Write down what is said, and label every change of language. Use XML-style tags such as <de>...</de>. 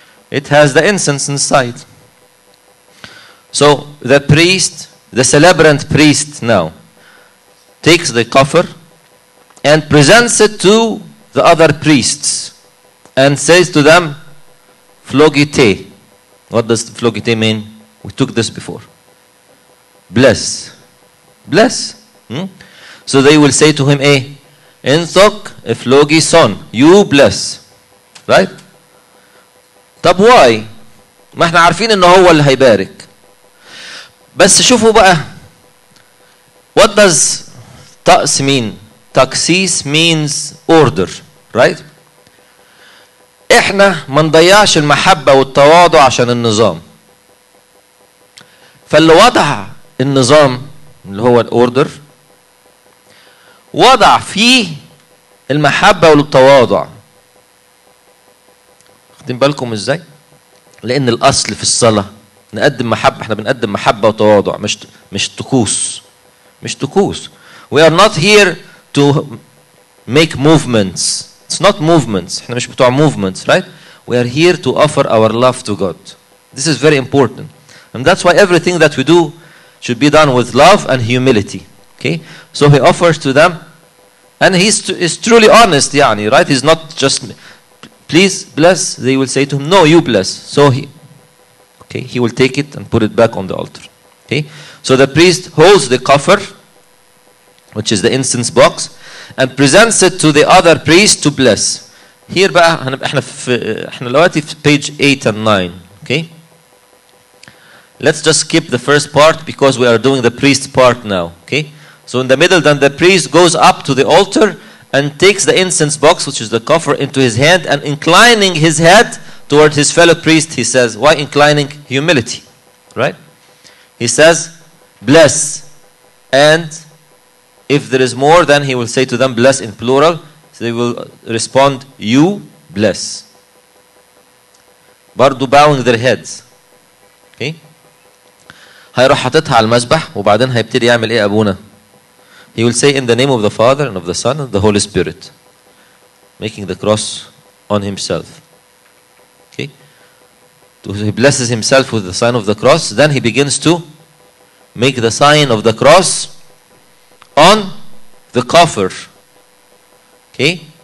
<en>It has the incense inside. So the priest, the celebrant priest now, takes the coffer and presents it to the other priests and says to them, Flogite. What does Flogite mean? We took this before. Bless. Bless. So they will say to him, Enthok Flogi son, you bless. Right?</en> <ar>طب</ar> <en>why?</en> <ar>ما احنا عارفين انه هو اللي هيبارك. بس شوفوا بقى.</ar> <en>What does تأس mean? تأسيس means order. Right?</en> <ar>احنا ما نضيعش المحبة والتواضع عشان النظام. فاللي وضع النظام اللي هو الاوردر وضع فيه المحبة والتواضع. خدين بالكم ازاي؟ لان الاصل في الصلاة نقدم محبة. احنا بنقدم محبة وتواضع مش طقوس.</ar> <en>We are not here to make movements. It's not movements.</en> <ar>احنا مش بتوع</ar> <en>movements, right? We are here to offer our love to God. This is very important. And that's why everything that we do should be done with love and humility. Okay? So he offers to them. And he's truly honest,</en> <ar>يعني,</ar> <en>right? He's not just, please bless. They will say to him, no, you bless. So he will take it and put it back on the altar. Okay? So the priest holds the coffer, which is the incense box, and presents it to the other priest to bless. Here</en> <ar>بقى احنا دلوقتي في</ar> <en>page 8 and 9. Okay? Let's just skip the first part because we are doing the priest part now. Okay? So in the middle, then the priest goes up to the altar and takes the incense box, which is the coffer, into his hand, and inclining his head toward his fellow priest, he says, why inclining? Humility. Right? He says, bless. And if there is more, then he will say to them, bless in plural. So they will respond, you bless.</en> <ar>برضو</ar> <en>bowing their heads. Okay?</en> <ar>هيروح حاططها على المسبح وبعدين هيبتدي يعمل ايه ابونا؟</ar> <en>He will say, in the name of the Father and of the Son and the Holy Spirit, making the cross on himself. Okay? So he blesses himself with the sign of the cross. Then he begins to make the sign of the cross on the coffer. Okay?</en>